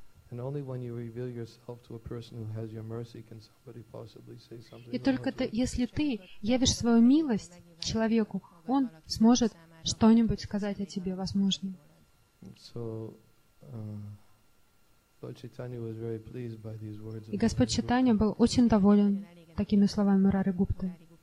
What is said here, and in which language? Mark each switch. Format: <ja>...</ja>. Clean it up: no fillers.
<en>And only when you reveal yourself to a person who has your mercy can somebody possibly say something.</en> <ru>И только если ты явишь свою милость человеку, он сможет что-нибудь сказать о тебе, возможно.</ru> <en>So Lord Chaitanya was very pleased by these words.</en> <ru>И Господь Чайтанья был очень доволен такими словами Мурари Гупты.</ru>